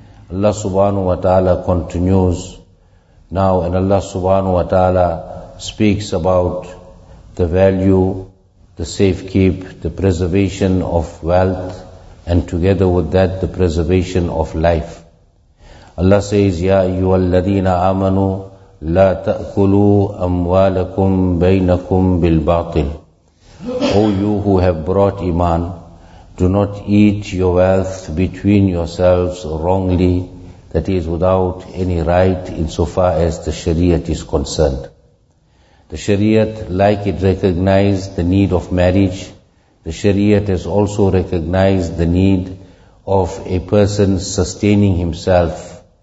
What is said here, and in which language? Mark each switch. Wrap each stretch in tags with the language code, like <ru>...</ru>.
<en>Allah subhanahu wa ta'ala continues now, and Allah subhanahu wa ta'ala speaks about the value, the safe keep, the preservation of wealth, and together with that, the preservation of life. Allah says,</en> <ar>يَا أَيُّهَا الَّذِينَ آمَنُوا لَا تَأْكُلُوا أَمْوَالَكُمْ بَيْنَكُمْ بِالْبَاطِلِ.</ar> <en>O you who have brought iman, do not eat your wealth between yourselves wrongly, that is, without any right insofar as the Shariat is concerned. The Shariat, like it recognized the need of marriage, the Shariat has also recognized the need of a person sustaining himself.</en>